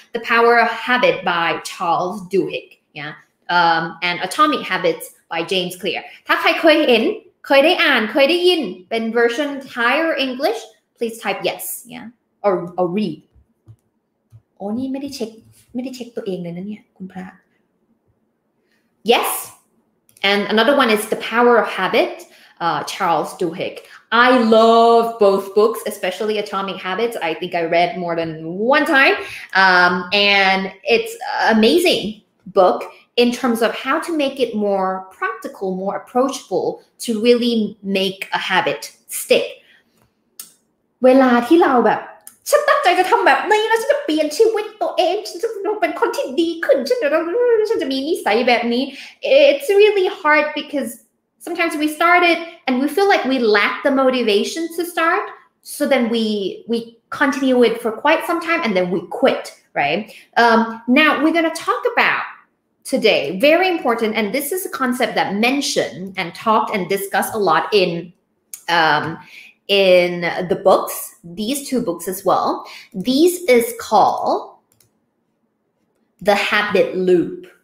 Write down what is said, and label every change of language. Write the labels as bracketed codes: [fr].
[en] The Power of Habit by Charles Duhigg, yeah? And Atomic Habits by James Clear. [th] ถ้าใครเคยเห็นเคยได้อ่านเคยได้ยินเป็น version higher English, [en] please type yes, yeah? Or read. [th] โอ้นี่ไม่ได้เช็คตัวเองเลยนะเนี่ยคุณพระ Yes? [en] And another one is The Power of Habit, Charles Duhigg. I love both books, especially Atomic Habits. I think I read more than one time. And it's an amazing book in terms of how to make it more practical, more approachable to really make a habit stick. [th] เวลาที่เราแบบฉันตั้งใจจะทำแบบนี้แล้วฉันจะเปลี่ยนชีวิตตัวเองฉันจะเป็นคนที่ดีขึ้นฉันจะมีนิสัยแบบนี้ [en] It's really hard because sometimes we start it and we feel like we lack the motivation to start, so then we continue it for quite some time and then we quit, right? Now we're going to talk about today, very important, and this is a concept that mentioned and talked and discussed a lot in the books, these two books as well. These is called The Habit Loop.